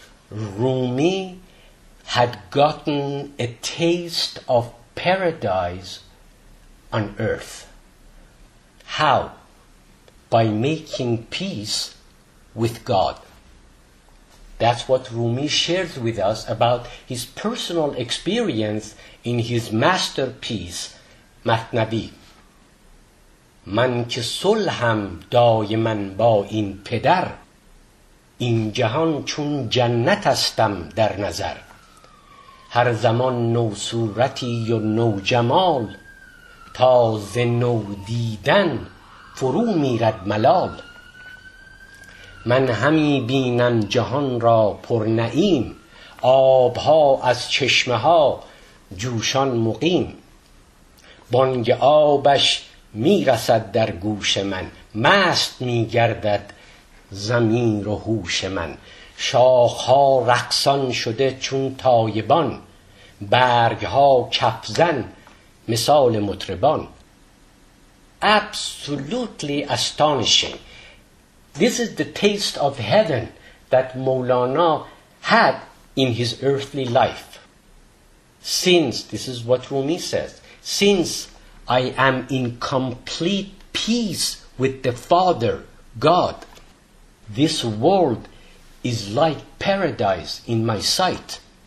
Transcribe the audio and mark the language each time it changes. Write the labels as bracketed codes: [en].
[en] Rumi had gotten a taste of paradise on earth. How? By making peace with God. That's what Rumi shares with us about his personal experience in his masterpiece, Mathnavi. [fa] من که صلحم دایما با این پدر، این جهان چون جنت استم در نظر. هر زمان نو صورتی و نو جمال، تازه نو دیدن فرو میرد ملال. من همی بینم جهان را پر نعیم، آبها از چشمه ها جوشان مقیم. بانگ آبش می رسد در گوش من، مست می گردد زمیر و هوش من. شاخها رقصان شده چون تایبان، برگها کفزن مثال مطربان. [en] Absolutely astonishing. This is the taste of heaven that Maulana had in his earthly life. Since I am in complete peace with the Father, God, this world is like paradise in my sight.